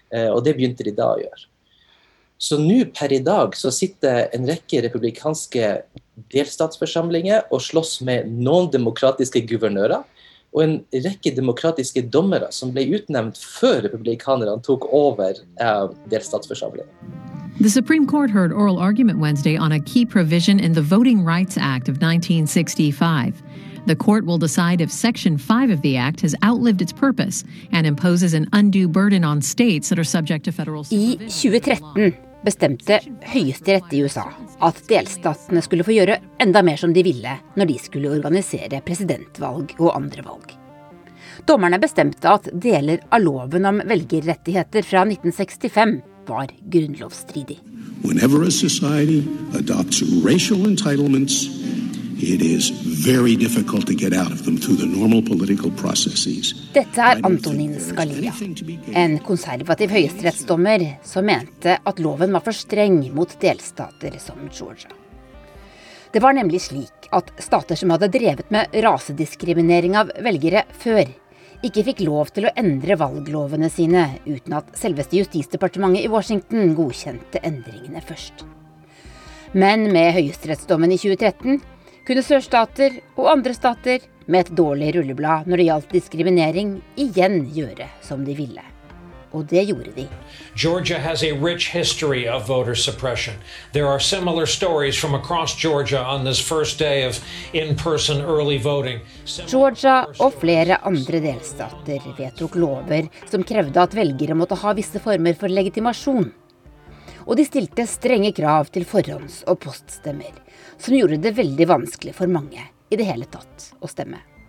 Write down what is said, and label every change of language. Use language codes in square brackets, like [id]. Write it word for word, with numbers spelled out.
[no] Og det begynte de da å gjøre. Så nå per i dag så sitter en rekke republikanske delstatsforsamlinger og slåss med noen demokratiske guvernører og en rekke demokratiske dommere som ble utnevnt før republikanerne tok over eh, delstatsforsamlingen. [en] The Supreme Court heard oral argument Wednesday on a key provision in the Voting Rights Act of nineteen sixty-five. The court will decide if Section five of the Act has outlived its purpose and imposes an undue burden on states that are subject to federal supervision. [no] I tjue tretten bestemte høyesterett i U S A at delstatene skulle få gjøre enda mer som de ville når de skulle organisere presidentvalg og andre valg. Dommerne bestemte at deler av loven om velgerrettigheter fra nitten sekstifem var grunnlovsstridig. [en] Whenever a society adopts racial entitlements, it is very difficult to get out of them through the normal political processes. [no] Dette er Antonin Scalia, en konservativ høyesterettsdommer som mente at loven var for streng mot delstater som Georgia. Det var nemlig slik at stater som hadde drevet med rasediskriminering av velgere før, ikke fikk lov til å endre valglovene sine uten at selveste Justisdepartementet i Washington godkjente endringene først. Men med høyesterettsdommen i tjue tretten kunne sørstater og andre stater med et dårlig rulleblad når det gjaldt diskriminering igjen gjøre som de ville. Og det gjorde de. [en] Georgia has a rich history of voter suppression. There are similar stories from across Georgia on this first day of in-person early voting. [no] Georgia og flere andre delstater vedtok lover som krevde at velgere måtte ha visse former for legitimasjon. Og de stilte strenge krav til forhånds- og poststemmer, som gjorde det veldig vanskelig for mange i det hele tatt å stemme.